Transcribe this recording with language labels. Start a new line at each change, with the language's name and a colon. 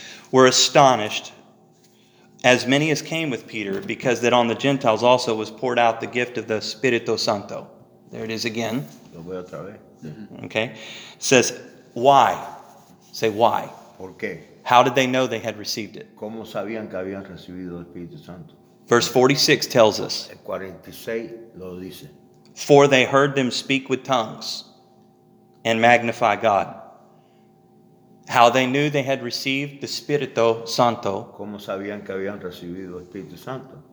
English: Were astonished, as many as came with Peter, because that on the Gentiles also was poured out the gift of the Espíritu Santo. There it is again.
Spanish: Lo voy otra vez.
English: Okay. It says, why? Say, why?
Spanish: ¿Por qué?
English: How did they know they had received it?
Spanish: ¿Cómo sabían que habían recibido el Espíritu Santo?
English: Verse 46 tells us.
Spanish: El 46 lo dice.
English: For they heard them speak with tongues and magnify God. How they knew they had received the Espíritu Santo,
Spanish: ¿cómo sabían que habían recibido el Espíritu Santo?